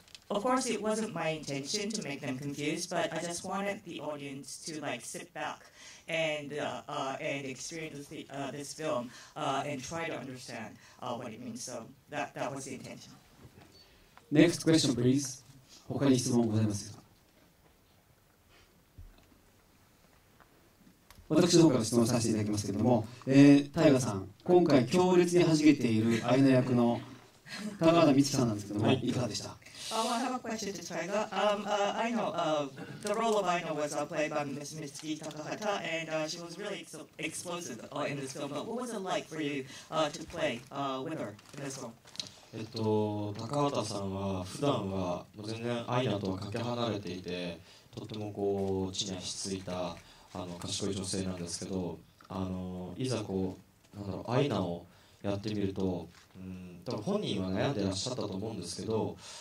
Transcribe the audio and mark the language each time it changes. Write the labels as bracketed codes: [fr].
[en] Of course, it wasn't my intention to make them confused, but I just wanted the audience to sit back and experience this film and try to understand what it means. So that was the intention. Next question, please. [ja] 他に質問ございますか。私の方から質問させていただきますけれども、タイガさん、今回強烈に弾けているアイナ役の高畑充希さんなんですけども、いかがでした。 [en] I have a question to Taiga. I know the role of Aino was played by Ms. Mitsuki Takahata, and she was really explosive in this film. But what was it like for you to play with her in this film? [ja] 高畑さんは普段は全然アイナとはかけ離れていて、とてもこう地に足ついた賢い女性なんですけど、いざこうなんだろうアイナをやってみると、多分本人は悩んでらっしゃったと思うんですけど。